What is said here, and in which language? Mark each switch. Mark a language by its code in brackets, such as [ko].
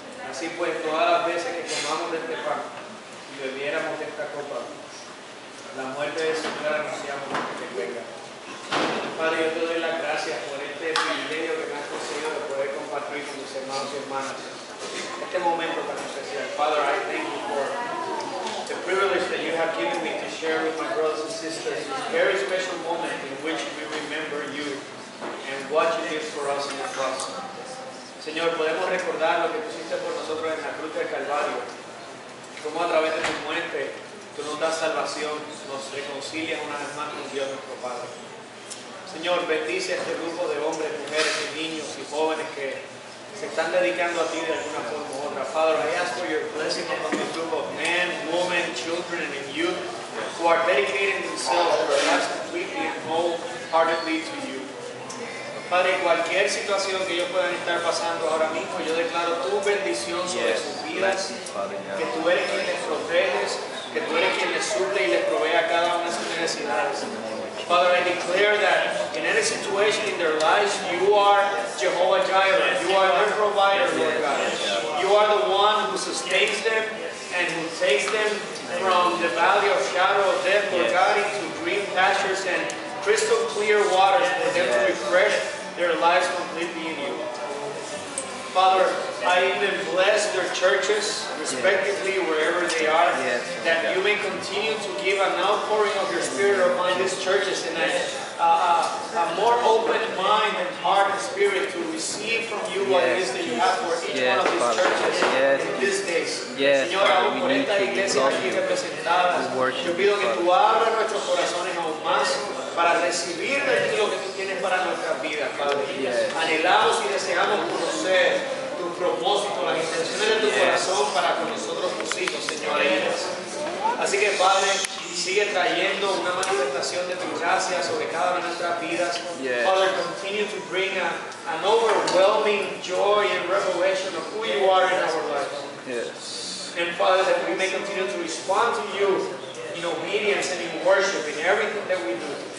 [es] Así pues, todas las veces que comamos de este pan y bebiéramos de esta copa, la muerte de su cara anunciamos hasta que venga. Padre, yo te doy las gracias por este privilegio que me has conseguido de poder compartir con mis hermanos y hermanas este momento tan especial. [en] Father, I thank you for the privilege that you have given me to share with my brothers and sisters this very special moment in which we remember you and what you did for us in the cross. [es] Señor, podemos recordar lo que tú hiciste por nosotros en la cruz del Calvario. Cómo a través de tu muerte, tú nos das salvación, nos reconcilias una vez más con Dios nuestro Padre. Señor, bendice a este grupo de hombres, mujeres y niños y jóvenes que se están dedicando a ti de alguna forma u otra. [en] Father, I ask for your blessing upon this group of men, women, children, and youth who are dedicating themselves to their lives completely and wholeheartedly to you. [es] Padre, cualquier situación que ellos puedan estar pasando ahora mismo, yo declaro tu bendición sobre sus vidas, que tú eres quien les proteges, que tú eres quien les suple y les provee a cada una de sus necesidades. [en] Father, I declare that in any situation in their lives, you are Jehovah Jireh, you are their provider, Lord God. You are the one who sustains them and who takes them from the valley of shadow of death, Lord God, into green pastures and crystal clear waters for them to refresh their lives completely in you. Father, I even bless their churches, respectively, wherever they are, that you may continue to give an outpouring of your Spirit upon these churches and a more open mind and heart and spirit to receive from you what it is that you have for each one of these churches in these days. [es] Señor, aún por esta iglesia aquí representada, yo pido que tú abras nuestros corazones aún más para recibir de ti lo que tú tienes para nuestras vidas, Padre. Anhelamos y deseamos conocer tu propósito, las intenciones de tu corazón para con nosotros tus hijos, Señor. Así que, Padre, sigue trayendo una manifestación de tu gracia sobre cada una de nuestras vidas. [en] Yes. Father, continue to bring an overwhelming joy and revelation of who you are in our lives. Yes. And Father, that we may continue to respond to you in obedience and in worship in everything that we do.